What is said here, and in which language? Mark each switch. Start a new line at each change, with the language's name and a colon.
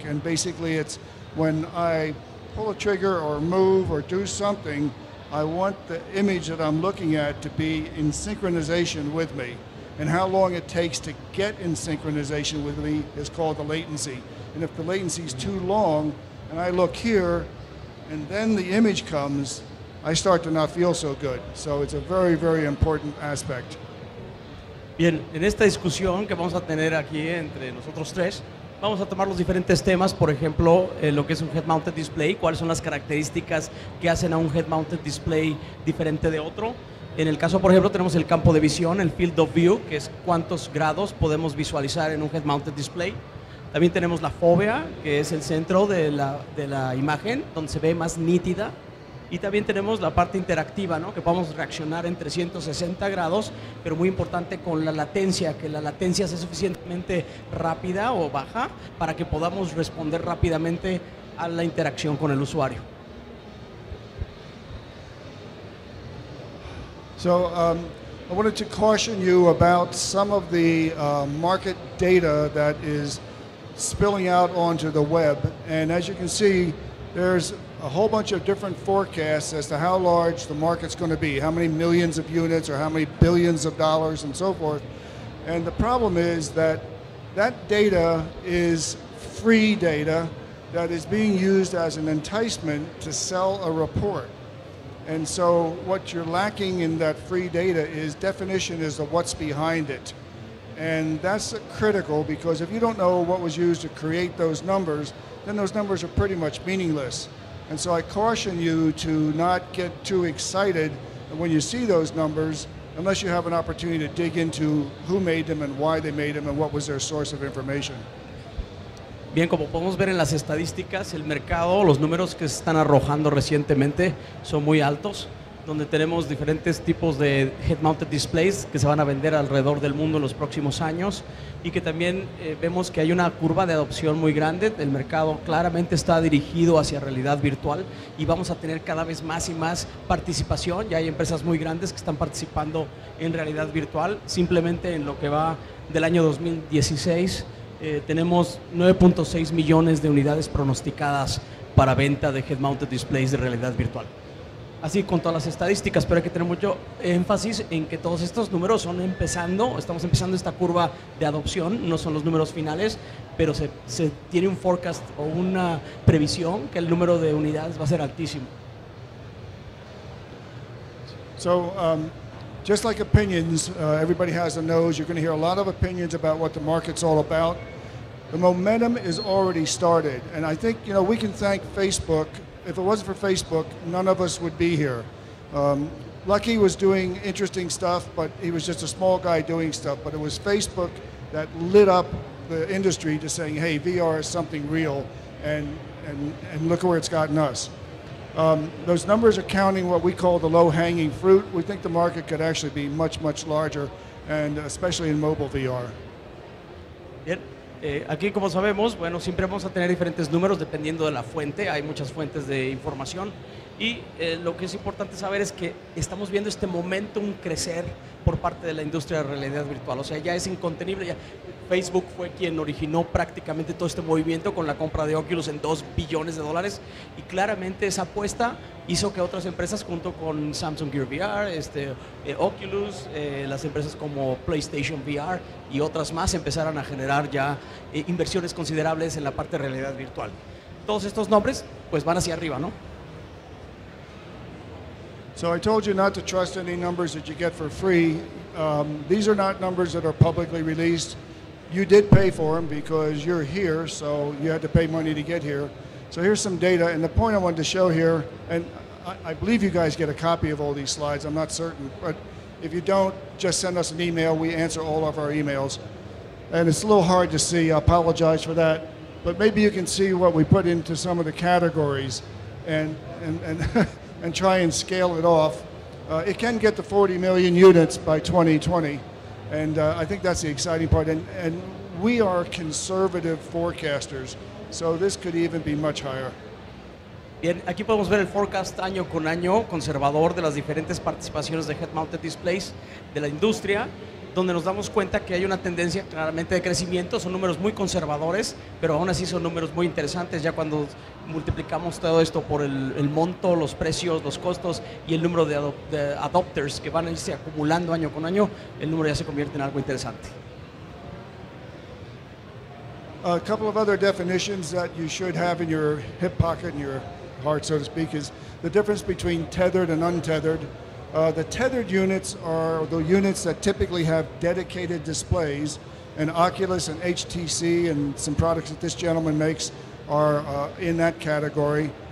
English: And basically it's when I pull a trigger or move or do something, I want the image that I'm looking at to be in synchronization with me. And how long it takes to get in synchronization with me is called the latency. And if the latency is too long, and I look here, and then the image comes, I start to not feel so good. So it's a very, very important aspect.
Spanish: Bien, en esta discusión que vamos a tener aquí entre nosotros tres, vamos a tomar los diferentes temas, por ejemplo, lo que es un head-mounted display, cuáles son las características que hacen a un head-mounted display diferente de otro. En el caso, por ejemplo, tenemos el campo de visión, el
English: field of view,
Spanish: que es cuántos grados podemos visualizar en un head-mounted display. También tenemos la fovea, que es el centro de la imagen, donde se ve más nítida. Y también tenemos la parte interactiva, ¿no? Que podemos reaccionar en 360 grados, pero muy importante con la latencia, que la latencia sea suficientemente rápida o baja para que podamos responder rápidamente a la interacción con el usuario.
English: So, I wanted to caution you about some of the market data that is spilling out onto the web. And as you can see, there's a whole bunch of different forecasts as to how large the market's going to be, how many millions of units or how many billions of dollars and so forth. And the problem is that that data is free data that is being used as an enticement to sell a report. And so what you're lacking in that free data is definition as to what's behind it. And that's critical because if you don't know what was used to create those numbers, then those numbers are pretty much meaningless. And so I caution you to not get too excited when you see those numbers, unless you have an opportunity to dig into who made them and why they made them and what was their source of information.
Spanish: Bien, como podemos ver en las estadísticas, el mercado, los números que se están arrojando recientemente son muy altos, donde tenemos diferentes tipos de head-mounted displays que se van a vender alrededor del mundo en los próximos años y que también vemos que hay una curva de adopción muy grande. El mercado claramente está dirigido hacia realidad virtual y vamos a tener cada vez más y más participación. Ya hay empresas muy grandes que están participando en realidad virtual. Simplemente en lo que va del año 2016, tenemos 9.6 millones de unidades pronosticadas para venta de head-mounted displays de realidad virtual. Así, con todas las estadísticas, pero hay que tener mucho énfasis en que todos estos números son empezando, estamos empezando esta curva de adopción, no son los números finales, pero se tiene un forecast o una previsión que el número de unidades va a ser altísimo.
English: So, just like opinions, everybody has a nose, you're going to hear a lot of opinions about what the market's all about. The momentum is already started, and I think, you know, we can thank Facebook. If it wasn't for Facebook, none of us would be here. Lucky was doing interesting stuff, but he was just a small guy doing stuff. But it was Facebook that lit up the industry to saying, hey, VR is something real, and look where it's gotten us. Those numbers are counting what we call the low-hanging fruit. We think the market could actually be much, much larger, and especially in mobile VR. Yep.
Spanish: Aquí, como sabemos, bueno, siempre vamos a tener diferentes números dependiendo de la fuente. Hay muchas fuentes de información. Y lo que es importante saber es que estamos viendo este momentum crecer por parte de la industria de realidad virtual. O sea, ya es incontenible. Ya. Facebook fue quien originó prácticamente todo este movimiento con la compra de Oculus en $2 billones. Y claramente esa apuesta hizo que otras empresas, junto con Samsung Gear VR, Oculus, las empresas como PlayStation VR y otras más, empezaran a generar ya inversiones considerables en la parte de realidad virtual. Todos estos nombres, pues van hacia arriba, ¿no?
English: So I told you not to trust any numbers that you get for free. These are not numbers that are publicly released. You did pay for them because you're here, so you had to pay money to get here. So here's some data, and the point I wanted to show here, and I believe you guys get a copy of all these slides, I'm not certain, but if you don't, just send us an email. We answer all of our emails. And it's a little hard to see, I apologize for that, but maybe you can see what we put into some of the categories and try and scale it off. It can get to 40 million units by 2020, and I think that's the exciting part. And we are conservative forecasters, so this could even be much higher.
Spanish: Bien, aquí podemos ver el forecast año con año, conservador de las diferentes participaciones de head-mounted displays de la industria, donde nos damos cuenta que hay una tendencia claramente de crecimiento. Son números muy conservadores, pero aún así son números muy interesantes ya cuando multiplicamos todo esto por el monto, los precios, los costos y el número de adopters que van a irse acumulando año con año, el número ya se convierte en algo interesante.
English: A couple of other definitions that you should have in your hip pocket, in your heart, so to speak, is the difference between tethered and untethered. The tethered units are the units that typically have dedicated displays, and Oculus and HTC and some products that this gentleman makes are in that category.